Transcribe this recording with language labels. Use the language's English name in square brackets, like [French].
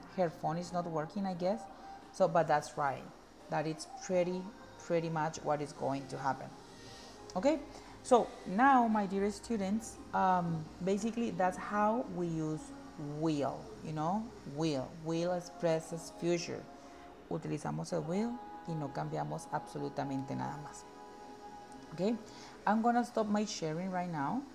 [English] Her phone is not working, I guess. So, but that's right. That it's pretty much what is going to happen. Okay. So now, my dear students, basically that's how we use will, you know, will expresses future. [Spanish] Utilizamos el will y no cambiamos absolutamente nada más. [English] Okay, I'm gonna stop my sharing right now.